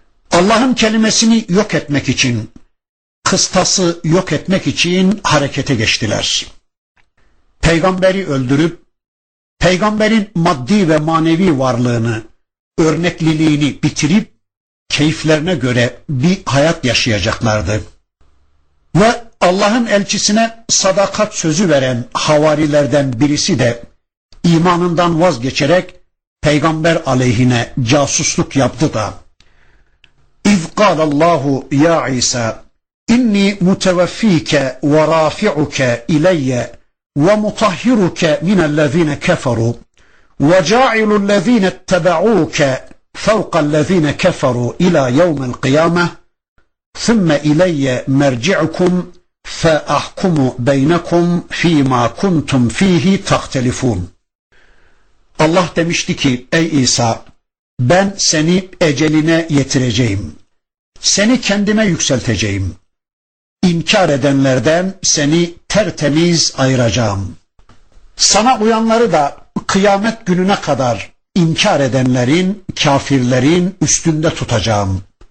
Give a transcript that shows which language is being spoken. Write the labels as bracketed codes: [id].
[tr] Allah'ın kelimesini yok etmek için, kıstası yok etmek için harekete geçtiler. Peygamberi öldürüp, peygamberin maddi ve manevi varlığını, örnekliliğini bitirip, keyiflerine göre bir hayat yaşayacaklardı. Ve Allah'ın elçisine sadakat sözü veren havarilerden birisi de, imanından vazgeçerek, peygamber aleyhine casusluk yaptı da, [ar] اِذْ قَالَ اللّٰهُ يَا عِيْسَى اِنِّي مُتَوَفِّيكَ وَرَافِعُكَ اِلَيَّ وَمُطَهِّرُكَ مِنَ الَّذ۪ينَ كَفَرُوا وَجَاعِلُ الَّذ۪ينَ اتَّبَعُوكَ فَوْقَ الَّذ۪ينَ كَفَرُوا اِلَى يَوْمَ الْقِيَامَةِ ثُمَّ اِلَيَّ مَرْجِعُكُمْ فَاَحْكُمُ بَيْنَكُمْ ف۪ي مَا كُنْتُمْ ف۪يهِ تَخْتَلِفُونَ. [tr] Allah demişti ki, ey İsa, ben seni eceline yetireceğim. Seni kendime yükselteceğim. İnkar edenlerden seni tertemiz ayıracağım. Sana uyanları da kıyamet gününe kadar inkar edenlerin, kafirlerin üstünde tutacağım.